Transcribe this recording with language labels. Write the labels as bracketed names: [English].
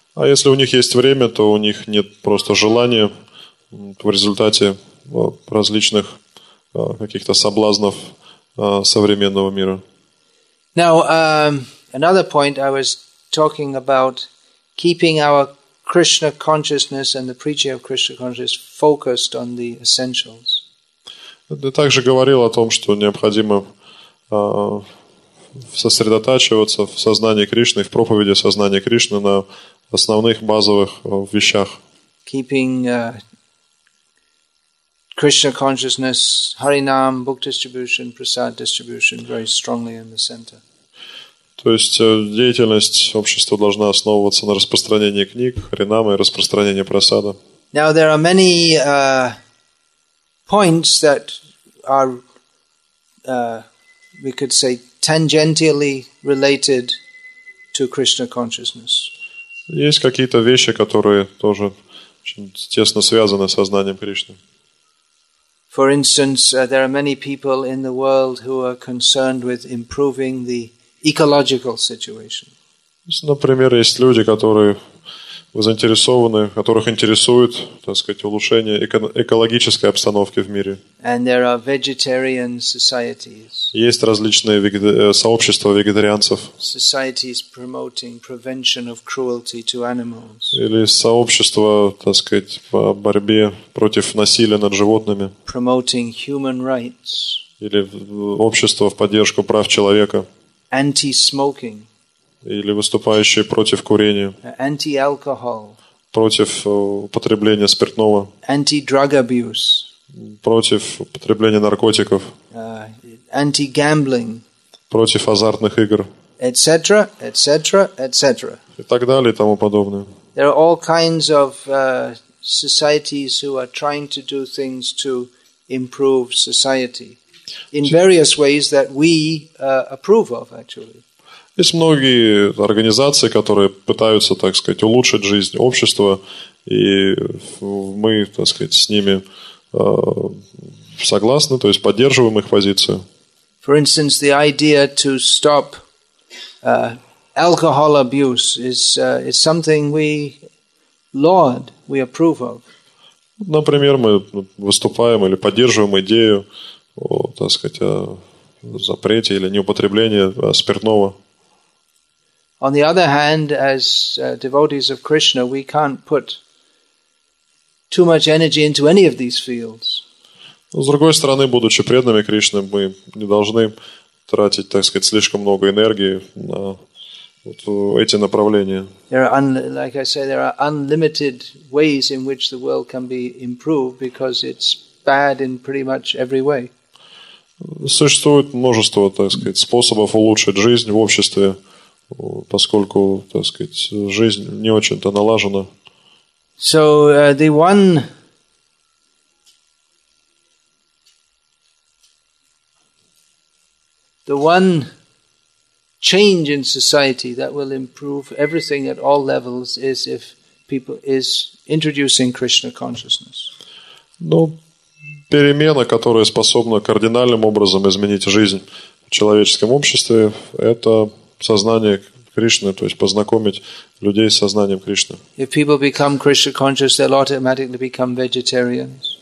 [Russian] А если у них есть время, то у них нет просто желания в результате различных каких-то соблазнов современного мира. [English] Now, another point I was talking about keeping our Krishna consciousness and the preaching of Krishna consciousness focused on the essentials. [Russian] Я также говорил о том, что необходимо сосредотачиваться в сознании Кришны, в проповеди сознания Кришны на основных базовых вещах. [English] Keeping Krishna consciousness, Harinam, book distribution, prasad distribution very strongly in the center. [Russian] То есть деятельность общества должна основываться на распространении книг, Харинама и распространении прасада. [English] Now there are many points that are we could say tangentially related to Krishna consciousness. [Russian] Есть какие-то вещи, которые тоже очень тесно связаны с сознанием Кришны. [English] For instance, there are many people in the world who are concerned with improving the ecological situation. [Russian] Например, есть люди, которые заинтересованы, которых интересует, так сказать, улучшение экологической обстановки в мире. [English] And there are vegetarian societies. [Russian] Есть различные сообщества вегетарианцев. [English] Societies promoting prevention of cruelty to animals. [Russian] Или сообщества, так сказать, по борьбе против насилия над животными. [English] Promoting human rights. [Russian] Или общество в поддержку прав человека. [English] Anti-smoking. [Russian] Или выступающие против курения. [English] Anti-alcohol. [Russian] Против употребления спиртного. [English] Anti-drug abuse. [Russian] Против употребления наркотиков. [English] Anti-gambling. [Russian] Против азартных игр. [English] Etc., etc., etc. [Russian] И так далее, и тому подобное. [English] There are all kinds of societies who are trying to do things to improve society. In various ways that we approve of, actually. [Russian] Есть многие организации, которые пытаются, так сказать, улучшить жизнь общества, и мы, так сказать, с ними согласны, то есть поддерживаем их позицию. [English] For instance, the idea to stop alcohol abuse is something we laud, we approve of. [Russian] Например, мы выступаем или поддерживаем идею о, так сказать, о запрете или неупотреблении спиртного. [English] On the other hand, as devotees of Krishna, we can't put too much energy into any of these fields. [Russian] С другой стороны, будучи преданными Кришны, мы не должны тратить, так сказать, слишком много энергии на вот эти направления. [English] There are unlimited ways in which the world can be improved because it's bad in pretty much every way. [Russian] Существует множество, так сказать, способов улучшить жизнь в обществе, поскольку, так сказать, жизнь не очень-то налажена. [English] So the one change in society that will improve everything at all levels is if people is introducing Krishna consciousness. [Russian] Ну, перемена, которая способна кардинальным образом изменить жизнь в человеческом обществе, это сознание Кришны, то есть познакомить людей с сознанием Кришны. [English] If people become Krishna conscious, they'll automatically become vegetarians.